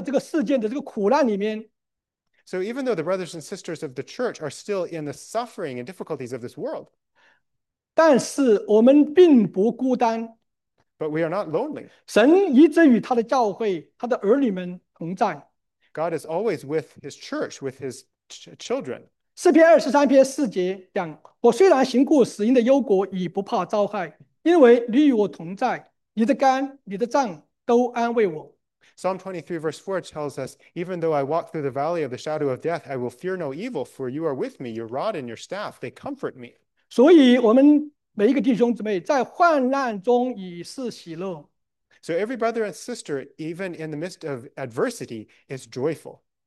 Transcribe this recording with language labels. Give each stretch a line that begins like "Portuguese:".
Chinese: 虽然今天的教会和弟兄姊妹仍然在这个罪恶的这个事件的这个苦难里面，
English: so even though the brothers and sisters of the church are still in the suffering and difficulties of this world,
Chinese: 但是我们并不孤单。
English: but we are not lonely.
Chinese: 神一直与他的教会，他的儿女们同在。
English: God is always with his church, with his children.
Chinese: 诗篇23篇4节讲：“我虽然行过死荫的幽谷，已不怕遭害，因为你与我同在，你的肝、你的杖都安慰我。”
English: Psalm 23 verse 4 tells us, even though I walk through the valley of the shadow of death, I will fear no evil, for you are with me, your rod and your staff, they comfort me.
Chinese: 所以我们每一个弟兄姊妹在患难中已是喜乐。
English: So every brother and sister, even in the midst of adversity, is joyful.